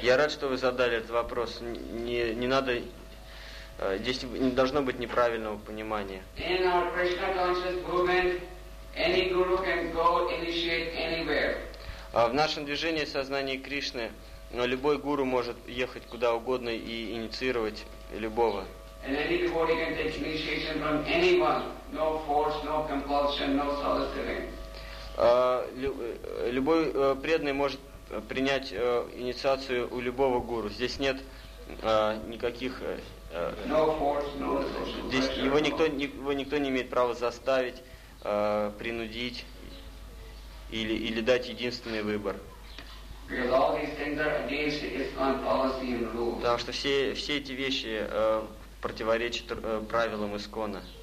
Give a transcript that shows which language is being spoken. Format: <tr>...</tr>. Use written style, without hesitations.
<ru>Я рад, что вы задали этот вопрос. Не надо... Здесь не должно быть неправильного понимания.</ru> <en>In our Krishna conscious movement, any guru can go initiate anywhere.</en> <ru>В нашем движении сознания Кришны Но любой гуру может ехать куда угодно и инициировать любого.</ru> <en>And any devotee can take initiation from anyone. No force, no compulsion, no soliciting.</en> <ru>Любой преданный может принять инициацию у любого гуру. Здесь нет никаких...</ru> <en>No force, no social</en> <ru>здесь его никто, его никто не имеет права заставить, принудить или, или дать единственный выбор.</ru> <en>Because all these things are against Islam policy and rules.</en> <ru>Потому что все, все эти вещи противоречат правилам ИСККОНа.</ru>